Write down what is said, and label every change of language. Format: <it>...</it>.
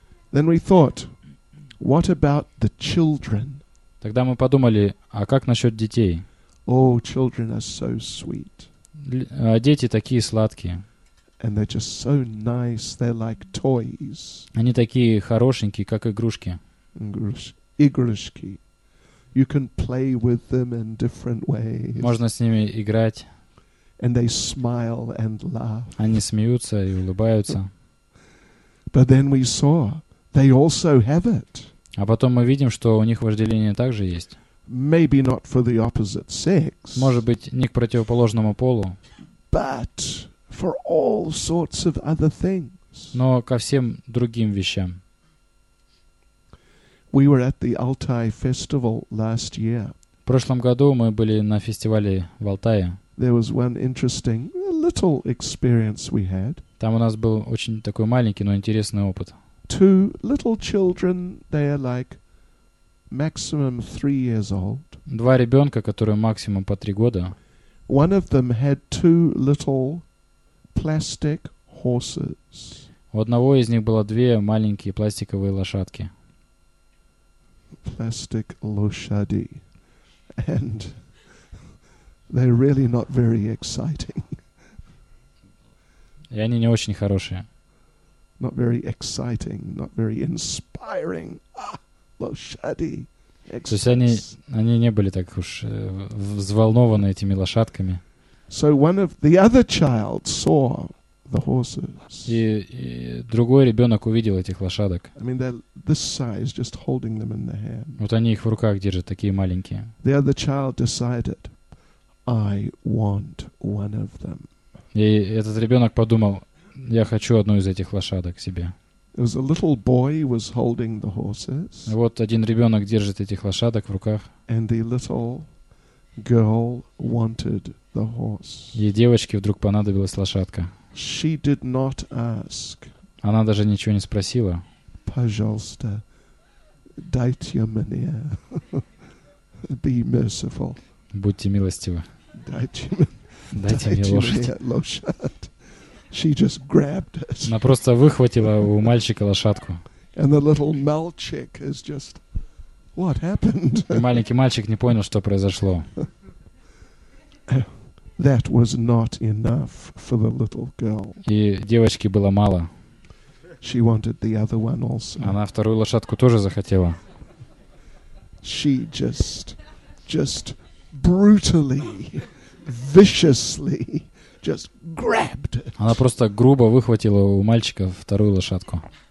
<en>Then we thought, what about the children?</en> <ru>Тогда мы подумали, а как насчет детей?</ru> <en>Oh, children are so sweet.</en> <ru>Дети такие сладкие.</ru> <en>And they're just so nice. They're like toys.</en> <ru>Они такие хорошенькие, как игрушки. Игрушки.</ru> <en>You can play with them in different ways.</en> <ru>Можно с ними играть.</ru> <en>And they smile and laugh.</en> <ru>Они смеются и улыбаются.</ru> <en>But then we saw they also have it.</en> <ru>А потом мы видим, что у них вожделение также есть.</ru> <en>Maybe not for the opposite sex.</en> <ru>Может быть, не к противоположному полу.</ru> <en>But for all sorts of other things.</en> <ru>Но ко всем другим вещам.</ru> <en>We were at the Altai festival last year.</en> <ru>В прошлом году мы были на фестивале в Алтае.</ru> <en>There was one interesting little experience we had.</en> <ru>Там у нас был очень такой маленький, но интересный опыт.</ru> <en>Two little children, they are like maximum 3 years old.</en> <ru>Два ребенка, которые максимум по 3 года.</ru> <en>One of them had two little plastic horses.</en> <ru>У одного из них было 2 маленькие пластиковые лошадки.</ru> <en>Plastic</en> <ru>лошади.</ru> <en>And they're really not very exciting.</en> <ru>И они не очень хорошие.</ru> <en>Not very exciting, not very inspiring. Ah,</en> <ru>лошади. То есть они не были так уж взволнованы этими лошадками.</ru> <en>So one of the other child saw the horses.</en> <ru>И другой ребенок увидел этих лошадок.</ru> <en>I mean, they're this size, just holding them in the hand.</en> <ru>Вот они их в руках держат, такие маленькие.</ru> <en>The other child decided, I want one of them.</en> <ru>И этот ребенок подумал, я хочу одну из этих лошадок себе.</ru> <en>There was a little boy was holding the horses.</en> <ru>Вот один ребенок держит этих лошадок в руках.</ru> <en>And the little girl wanted the horse.</en> <ru>И девочке вдруг понадобилась лошадка.</ru> <en>She did not ask.</en> <ru>Она даже ничего не спросила. Пожалуйста, дайте мне.</ru> <en>Be merciful.</en> <ru>Будьте милостивы. Дайте мне лошадь.</ru> <en>She just grabbed it.</en> <ru>Она просто выхватила у мальчика лошадку.</ru> <en>And the little</en> <ru>Malchik</ru> <en>is just, what happened?</en> <ru>Маленький мальчик не понял, что произошло.</ru> <en>That was not enough for the little girl.</en> <ru>И девочке было мало.</ru> <en>She wanted the other one also.</en> <ru>Она вторую лошадку тоже захотела.</ru> <en>She just brutally, viciously. Just grabbed it.</en> <ru>Она просто грубо выхватила у мальчика вторую лошадку.</ru>